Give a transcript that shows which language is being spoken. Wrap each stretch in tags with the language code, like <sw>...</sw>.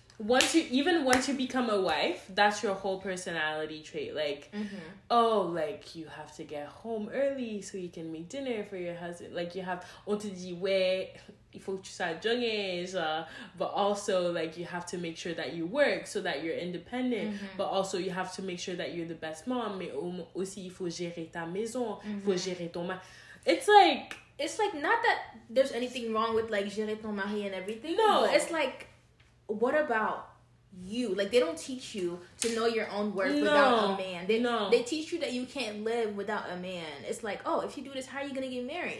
<en>once you, even once you become a wife, that's your whole personality trait. Like, mm-hmm. oh, like, you have to get home early so you can make dinner for your husband. Like, you have, on te dit, ouais, il faut que tu sois jeune, but also, like, you have to make sure that you work so that you're independent. Mm-hmm. But also, you have to make sure that you're the best mom.</en> <fr>Mais aussi, il faut gérer ta maison, il faut gérer ton mari.</fr> <en>It's like... It's like, not that there's anything wrong with, like, gérer ton mari and everything. No. But it's like... What about you? Like, they don't teach you to know your own worth without a man. They teach you that you can't live without a man. It's like, oh, if you do this, how are you going to get married?</en>